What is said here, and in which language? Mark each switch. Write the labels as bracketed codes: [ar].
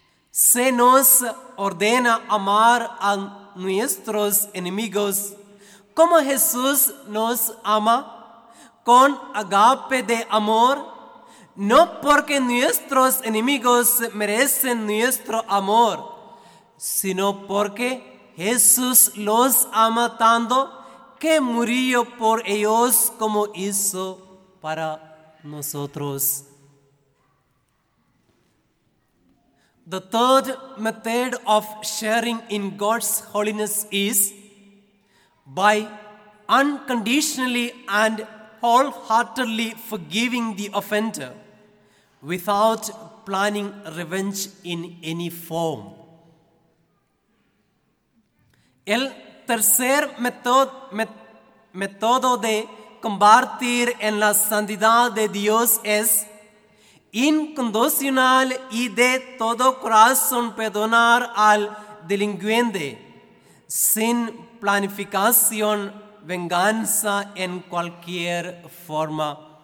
[es] Se nos ordena amar a nuestros enemigos como Jesús nos ama, con agape de amor, no porque nuestros enemigos merecen nuestro amor, sino porque Jesús los ama tanto que murió por ellos como hizo para nosotros. [en] The third method of sharing in God's holiness is by unconditionally and wholeheartedly forgiving the offender without planning revenge in any form. [es] El tercer método de compartir en la santidad de Dios es incondicional y de todo corazón perdonar al delincuente sin planificación, venganza en cualquier forma.